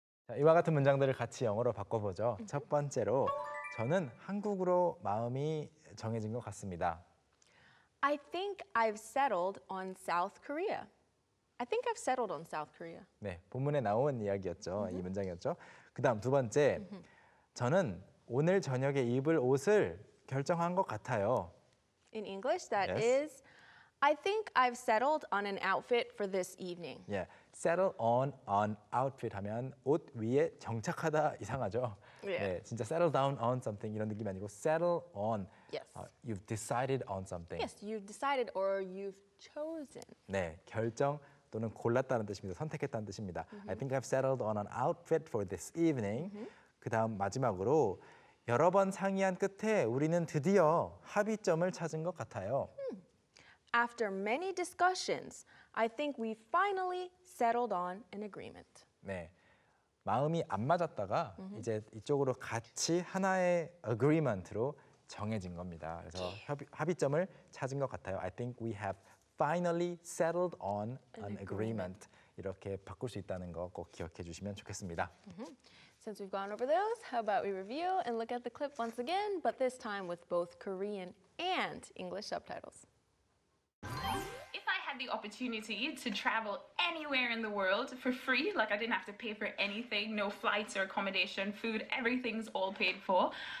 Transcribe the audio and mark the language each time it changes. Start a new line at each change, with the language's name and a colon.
English: I think I've settled on something. I think I've settled on something. I think I've settled on something. I think I've settled on South Korea. I think I've settled on South Korea.
Korean: 네, 본문에 나온 이야기였죠. 이 문장이었죠. 그다음 두 번째, 저는 오늘 저녁에 입을 옷을 결정한 것 같아요.
English: In English, that is, I think I've settled on an outfit for this evening.
Korean: Yeah.
English: Settle on outfit
Korean: 하면 옷 위에 정착하다 이상하죠. Yeah. 네, 진짜
English: settle down on something
Korean: 이런 느낌이 아니고
English: settle on. Yes. You've decided on something. Yes, you've decided or you've chosen.
Korean: 네, 결정 또는 골랐다는 뜻입니다. 선택했다는 뜻입니다.
English: Mm-hmm. I think I've settled on an outfit for this evening. Mm-hmm.
Korean: 그다음 마지막으로 여러 번 상의한 끝에 우리는 드디어 합의점을 찾은 것 같아요.
English: After many discussions, I think we finally settled on an agreement.
Korean: 네, 마음이 안 맞았다가 이제 이쪽으로 같이 하나의 agreement로 정해진 겁니다. 그래서 합의점을 찾은 것 같아요.
English: I think we have finally settled on an agreement.
Korean: 이렇게 바꿀 수 있다는 거 꼭 기억해 주시면 좋겠습니다.
English: Since we've gone over those, how about we review and look at the clip once again, but this time with both Korean and English subtitles. If I the opportunity to travel anywhere in the world for free, like I didn't have to pay for anything, no flights or accommodation, food, everything's all paid for.